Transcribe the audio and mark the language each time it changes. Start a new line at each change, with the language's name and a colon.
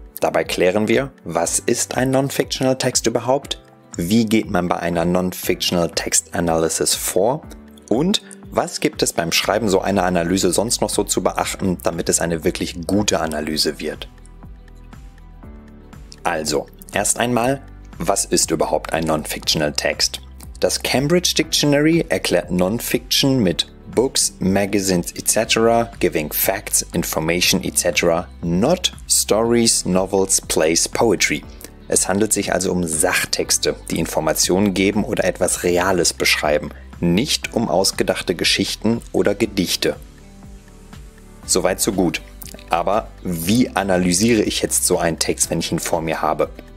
German: Dabei klären wir, was ist ein Non-Fictional Text überhaupt, wie geht man bei einer Non-Fictional Text Analysis vor und was gibt es beim Schreiben so einer Analyse sonst noch so zu beachten, damit es eine wirklich gute Analyse wird. Also, erst einmal, was ist überhaupt ein Non-Fictional Text? Das Cambridge Dictionary erklärt Non-Fiction mit
English: Books, Magazines etc. giving facts, information etc. not stories, novels, plays, poetry.
German: Es handelt sich also um Sachtexte, die Informationen geben oder etwas Reales beschreiben, nicht um ausgedachte Geschichten oder Gedichte. Soweit so gut. Aber wie analysiere ich jetzt so einen Text, wenn ich ihn vor mir habe?